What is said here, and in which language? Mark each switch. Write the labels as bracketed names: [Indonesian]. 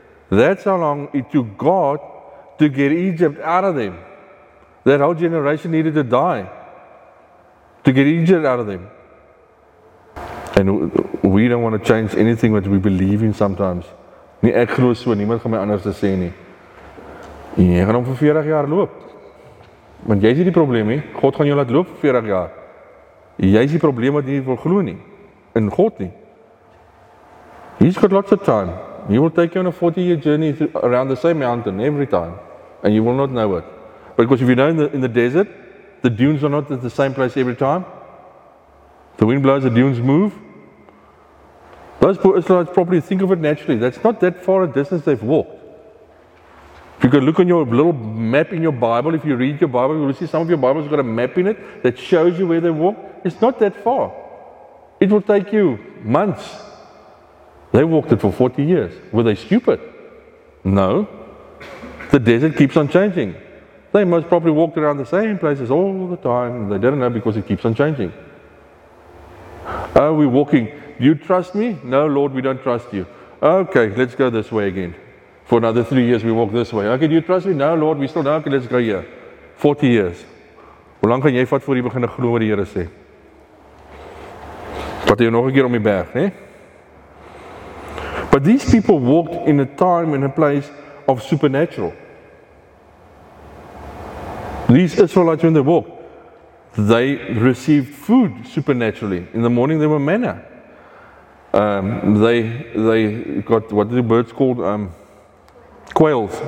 [English] That's how long it took God to get Egypt out of them. That whole generation needed to die to get Egypt out of them. And we don't want to change anything that we believe in sometimes. [Afrikaans] Nie ek glo so, niemand gaan my anders te sê nie. Jy gaan hom vir 40 jaar loop. Want jy is die probleem nie. God gaan jou laat loop vir 40 jaar. Jy is die probleem wat jy nie wil glo nie. In God nie. [English] He's got lots of time. He will take you on a 40-year journey around the same mountain every time. And you will not know it. Because if you know in the desert, the dunes are not at the same place every time. The wind blows, the dunes move. Those poor Israelites probably think of it naturally. That's not that far a distance they've walked. If you can look on your little map in your Bible, if you read your Bible, you will see some of your Bibles have got a map in it that shows you where they walk. It's not that far. It will take you months. They walked it for 40 years. Were they stupid? No. The desert keeps on changing. They most probably walked around the same places all the time. They didn't know because it keeps on changing. Oh, we're walking. Do you trust me? No, Lord, we don't trust you. Okay, let's go this way again. For another 3 years, we walk this way. Okay, do you trust me? No, Lord, we still don't. Okay, let's go here. 40 years. [Afrikaans] Hoe lang kan jy vat voor jy begin glo wat die Here sê? Vat jy nog 'n keer om die berg, né? [English] But these people walked in a time and a place of supernatural. These Israelites, when they walked, they received food supernaturally. In the morning, there were manna. They got, what are the birds called? Quails.